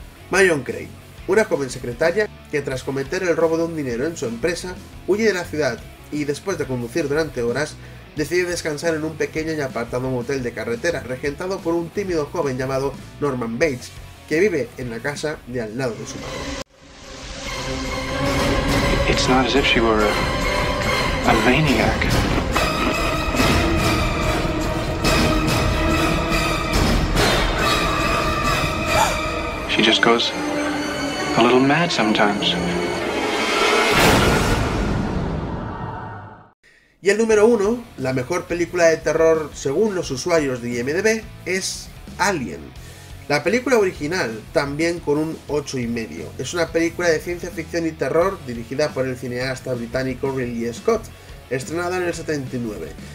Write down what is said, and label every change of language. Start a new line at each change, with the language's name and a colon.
Spanish: Marion Crane, una joven secretaria que tras cometer el robo de un dinero en su empresa, huye de la ciudad y después de conducir durante horas, decide descansar en un pequeño y apartado motel de carretera regentado por un tímido joven llamado Norman Bates, que vive en la casa de al lado de su madre.
English: It's not as if she were a maniac. She just goes a little mad sometimes.
Spanish: Y el número 1, la mejor película de terror según los usuarios de IMDb, es Alien. La película original, también con un 8,5, es una película de ciencia ficción y terror dirigida por el cineasta británico Ridley Scott, estrenada en el 79.